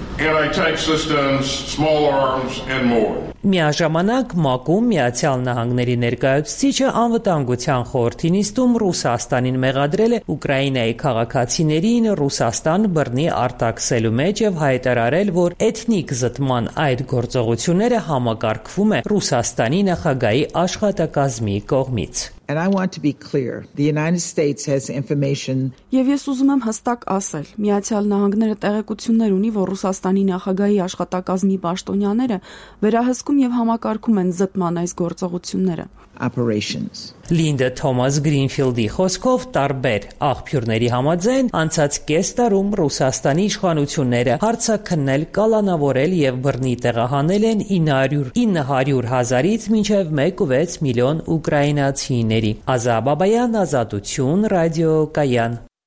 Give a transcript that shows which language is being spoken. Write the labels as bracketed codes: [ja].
[hy] Միաժամանակ ՄԱԿ-ում Միացյալ Նահանգների ներկայացուցիչը անվտանգության խորհրդի նիստում Ռուսաստանին մեղադրել է Ուկրաինայի քաղաքացիներին Ռուսաստան բռնի արտաքսելու մեջ եւ հայտարարել, որ էթնիկ զտման այդ գործողությունները համակարգվում է Ռուսաստանի նախագահի աշխատակազմի կողմից։ [en] And I want to be clear. The United States has information. [hy] Եվ ես ուզում եմ հստակ ասել, Միացյալ Նահանգները տեղեկություններ ունի, որ Ռուսաստանի նախագահի աշխատակազմի պաշտոնյաները վերահսկում եւ համակարգում են զտման այս գործողությունները. [en] Operations. [hy] Լինդա Թոմաս Գրինֆիլդի խոսքով տարբեր աղբյուրների համաձայն անցած կես տարում Ռուսաստանի իշխանությունները հարցաքննել, կալանավորել եւ բռնի տեղահանել են 900 հազարից մինչեւ 1.6 միլիոն ուկրաինացիների։ Ազա Բաբայան, Ազատություն, Ռադիո Կայան։